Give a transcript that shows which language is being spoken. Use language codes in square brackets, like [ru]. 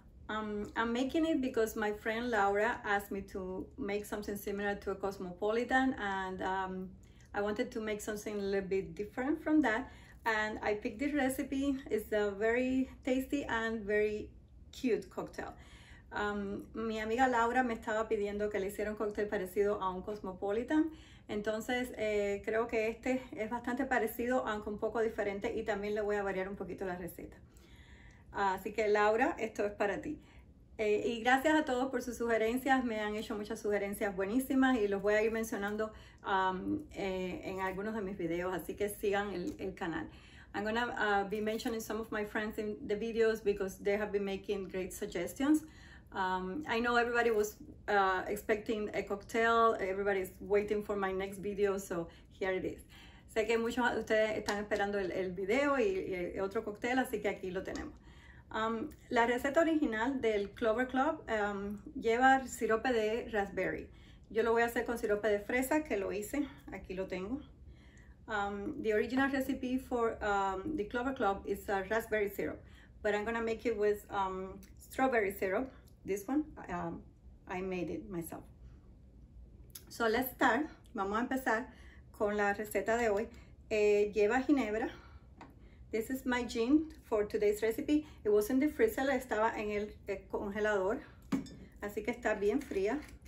[en] I'm making it because my friend Laura asked me to make something similar to a cosmopolitan, and I wanted to make something a little bit different from that. And I picked this recipe. It's a very tasty and very cute cocktail. [es] Mi amiga Laura me estaba pidiendo que le hiciera un cóctel parecido a un cosmopolitan. Entonces, creo que este es bastante parecido, aunque un poco diferente, y también le voy a variar un poquito la receta. Así que, Laura, esto es para ti. Y gracias a todos por sus sugerencias. Me han hecho muchas sugerencias buenísimas y los voy a ir mencionando en algunos de mis videos. Así que sigan el canal. [en] I'm gonna be mentioning some of my friends in the videos because they have been making great suggestions. I know everybody was expecting a cocktail. Everybody's waiting for my next video, so here it is. [es] Sé que muchos de ustedes están esperando el video y otro cóctel, así que aquí lo tenemos. La receta original del Clover Club lleva sirope de raspberry. Yo lo voy a hacer con sirope de fresa, que lo hice. Aquí lo tengo. [en] The original recipe for the Clover Club is raspberry syrup, but I'm gonna make it with strawberry syrup. This one, I made it myself. So let's start. [es] Vamos a empezar con la receta de hoy. Lleva ginebra. [en] This is my gin for today's recipe. It was in the freezer. [es] Estaba en el congelador. Así que está bien fría.